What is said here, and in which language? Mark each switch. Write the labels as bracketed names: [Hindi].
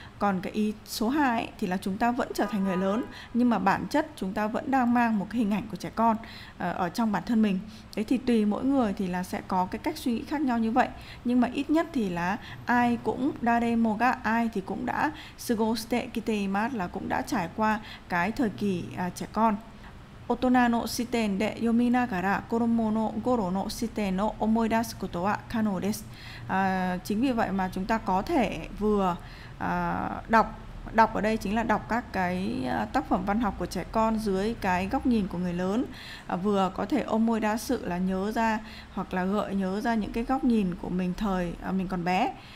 [Vietnamese] Còn cái ý số 2 thì là chúng ta vẫn trở thành người lớn, nhưng mà bản chất chúng ta vẫn đang mang một cái hình ảnh của trẻ con ở trong bản thân mình. Đấy, thì tùy mỗi người thì là sẽ có cái cách suy nghĩ khác nhau như vậy, nhưng mà ít nhất thì là ai cũng [Japanese] daremoga, [Vietnamese] ai thì cũng đã [Japanese] sugoste kiteimasu, [Vietnamese] là cũng đã trải qua cái thời kỳ trẻ con. [Japanese] 大人の視点で読みながら子供の頃の視点を思い出すことは可能です。 [Vietnamese] Chính vì vậy mà chúng ta có thể vừa đọc ở đây chính là đọc các cái tác phẩm văn học của trẻ con dưới cái góc nhìn của người lớn, vừa có thể omoidasu là nhớ ra hoặc là gợi nhớ ra những cái góc nhìn của mình thời mình còn bé.